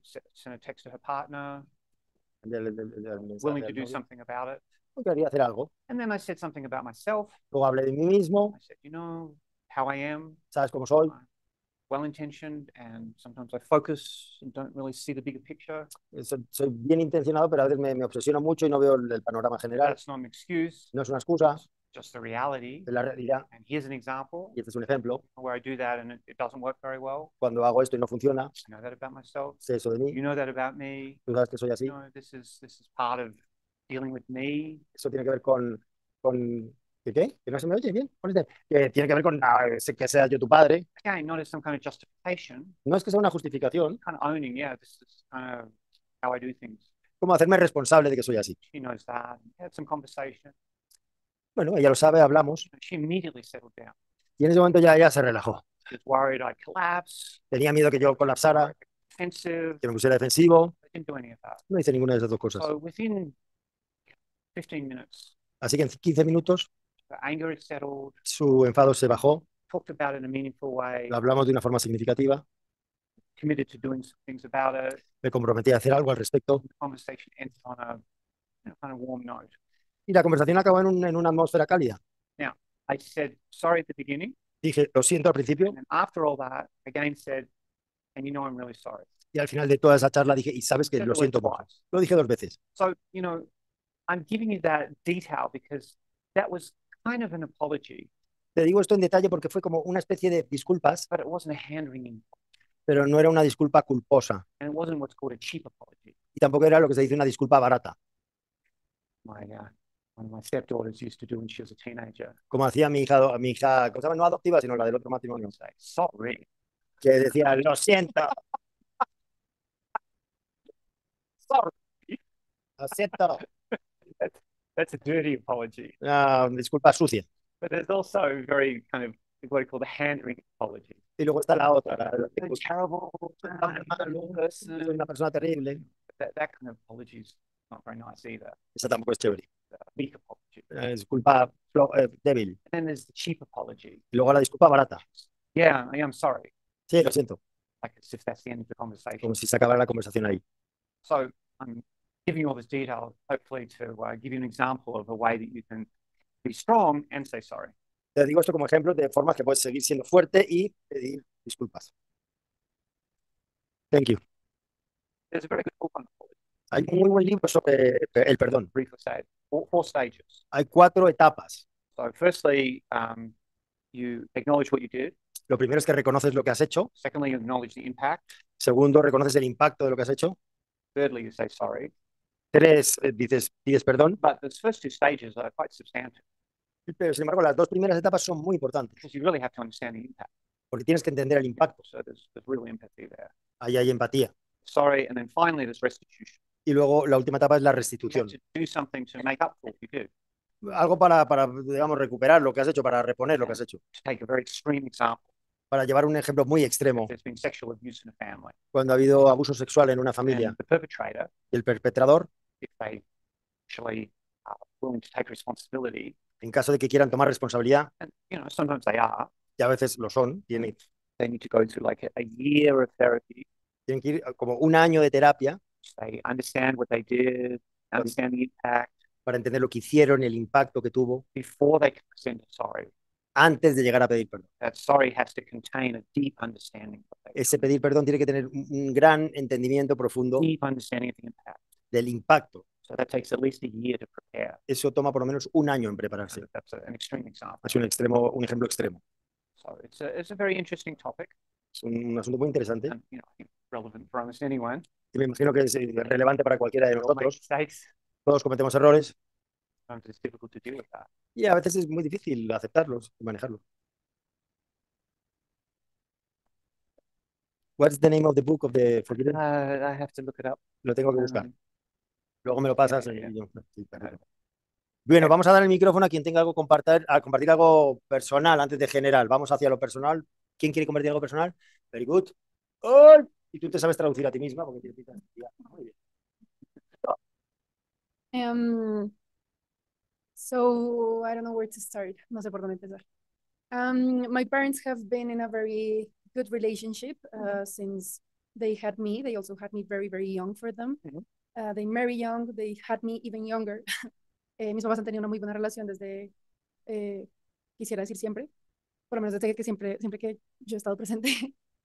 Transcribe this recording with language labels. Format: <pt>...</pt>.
<en>Sent a text to her partner.</en> <es>Del</es> <en>willing to</en> <es>del</es> <en>do</en> <es>novio.</es> <en>Something about it.</en> <es>Quería hacer algo.</es> <en>And then I said something about myself.</en> <es>Luego hablé de mí mismo.</es> <en>I said, you know, how I am.</en> <es>¿Sabes cómo soy?</es> <en>Well-intentioned, and sometimes I focus and don't really see the bigger picture.</en> <es>Soy bien intencionado, pero a veces me obsesiono mucho y no veo el panorama general.</es> <en>That's not an excuse.</en> <es>No es una excusa.</es> <en>Just the reality.</en> <es>Es la realidad.</es> <en>And here's an example.</en> <es>Y este es un ejemplo.</es> <en>Where I do that and it doesn't work very well.</en> <es>Cuando hago esto y no funciona.</es> <en>I know that about myself.</en> <es>Sé eso de mí.</es> <en>You know that about me.</en> <es>Tú sabes que soy así.</es> <en>You know, this is part of dealing with me.</en> <es>Eso tiene que ver con ¿qué? Que no se me oye bien. Que tiene que ver con que seas yo tu padre.</es> <en>Again, not as some kind of justification.</en> <es>No es que sea una justificación.</es> <en>Kind of owning, yeah, this is kind of how I do things.</en> <es>Como hacerme responsable de que soy así.</es> <en>She knows that. We had some conversation.</en> <es>Bueno, ella lo sabe, hablamos.</es> <en>She immediately settled down.</en> <es>Y en ese momento ya se relajó.</es> <en>She was worried I'd collapse.</en> <es>Tenía miedo que yo colapsara.</es> <en>Defensive.</en> <es>Que me pusiera defensivo.</es> <en>I didn't do any of that.</en> <es>No hice ninguna de esas dos cosas.</es> <en>So within 15 minutes.</en> <es>Así que en 15 minutos.</es> <en>Anger is settled.</en> <es>Su enfado se bajó.</es> <en>Talked about it in a meaningful way.</en> <es>Lo hablamos de una forma significativa.</es> <en>Committed to doing some things about it.</en> <es>Me comprometí a hacer algo al respecto.</es> <en>The conversation ended on a kind of warm note.</en> <es>Y la conversación acabó en una atmósfera cálida.</es> <en>Now, I said sorry at the beginning.</en> <es>Dije lo siento al principio.</es> <en>And after all that, again said, and you know I'm really sorry.</en> <es>Y al final de toda esa charla dije, y sabes que lo siento mucho. Lo dije dos veces.</es> <en>So, you know, I'm giving you that detail because that was kind of an apology.</en> <es>Te digo esto en detalle porque fue como una especie de disculpas.</es> <en>But it wasn't a hand-wringing.</en> <es>Pero no era una disculpa culposa.</es> <en>And it wasn't what's called a cheap apology.</en> <es>Y tampoco era lo que se dice una disculpa barata.</es> <en>One of my stepdaughters used to do when she was a teenager.</en> <es>Como hacía mi hija, ¿cómo se llama? No adoptiva, sino la del otro matrimonio.</es> <en>Say, sorry.</en> <es>Que decía, lo siento.</es> <en>Sorry.</en> <es>Lo siento.</es> <en>That's a dirty apology.</en> <es>Disculpa sucia.</es> <en>But there's also a very kind of what we call the hand-wringing apology.</en> <es>Y luego está la otra. Una persona terrible.</es> <en>That kind of apology is not very nice either.</en> <es>Esa tampoco es chévere.</es> <en>Weak apology.</en> <es>Disculpa débil.</es> <en>And then there's the cheap apology.</en> <es>Y luego la disculpa barata.</es> <en>Yeah, I'm sorry.</en> <es>Sí, lo siento.</es> <en>Like as if that's the end of the conversation.</en> <es>Como si se acabara la conversación ahí.</es> <en>So I'm giving you all this detail, hopefully to give you an example of a way that you can be strong and say sorry.</en> <es>Te digo esto como ejemplo de formas que puedes seguir siendo fuerte y pedir disculpas.</es> <en>Thank you. There's a very good book on apology.</en> <es>Hay un muy buen libro sobre el perdón.</es> <en>Briefly said, four stages.</en> <es>Hay cuatro etapas.</es> <en>So firstly, you acknowledge what you did.</en> <es>Lo primero es que reconoces lo que has hecho.</es> <en>Secondly, you acknowledge the impact.</en> <es>Segundo, reconoces el impacto de lo que has hecho.</es> <en>Thirdly, you say sorry.</en> <es>Tres, dices, pides perdón.</es> <en>But the first two stages are quite substantive.</en> <es>Pero, sin embargo, las dos primeras etapas son muy importantes.</es> <en>Because you really have to understand the impact.</en> <es>Porque tienes que entender el impacto.</es> <en>So there's real empathy there.</en> <es>Ahí hay empatía.</es> <en>Sorry, and then finally there's restitution.</en> <es>Y luego la última etapa es la restitución.</es> <en>You have to do something to make up for what you do.</en> <es>Algo para digamos, recuperar lo que has hecho, para reponer lo que has hecho.</es> <en>To take a very extreme example.</en> <es>Para llevar un ejemplo muy extremo.</es> <en>If there's been sexual abuse in a family.</en> <es>Cuando ha habido abuso sexual en una familia.</es> <en>And the perpetrator,</en> <es>y el perpetrador.</es> <en>If they actually are willing to take responsibility.</en> <es>En caso de que quieran tomar responsabilidad,</es> <en>and, you know, sometimes they are,</en> <es>y a veces lo son,</es> <en>they need to go through like a year of therapy.</en> <es>Tienen que ir como un año de terapia,</es> <en>they understand what they did, understand the impact,</en> <es>para entender lo que hicieron, el impacto que tuvo,</es> <en>before they can present a sorry.</en> <es>Antes de llegar a pedir perdón.</es> <en>That sorry has to contain a deep understanding of what they did.</en> <es>Ese pedir perdón tiene que tener un gran entendimiento profundo,</es> <en>deep understanding of the impact.</en> <es>Del impacto.</es> <en>So that takes at least a year to prepare.</en> <es>Eso toma por lo menos un año en prepararse.</es> <en>That's an extreme example.</en> <es>Es un ejemplo extremo.</es> <en>So it's a very interesting topic.</en> <es>Es un asunto muy interesante.</es> <en>And, you know, I think relevant for almost anyone.</en> <es>Y me imagino que es relevante para cualquiera de nosotros.</es> <en>Mistakes.</en> <es>Todos cometemos errores.</es> <en>Sometimes it's difficult to deal with that.</en> <es>Y a veces es muy difícil aceptarlos y manejarlos.</es> <en>What's the name of the book of the forbidden? I have to look it up.</en> <es>Lo tengo que buscar. Luego me lo pasas.</es> <en>Yeah.</en> <es>Bueno, vamos a dar el micrófono a quien tenga algo a compartir algo personal antes de general. Vamos hacia lo personal. ¿Quién quiere compartir algo personal?</es> <en>Very good.</en> <es>Oh, y tú te sabes traducir a ti misma porque tienes pinta. Muy bien.</es> <en>So I don't know where to start.</en> <es>No sé por dónde empezar.</es> <en>My parents have been in a very good relationship since they had me. They also had me very, very young for them. Mm-hmm. They marry young, they had me even younger.</en> <es>Mis papás han tenido una muy buena relación desde, quisiera decir siempre, por lo menos desde que siempre que yo he estado presente.</es>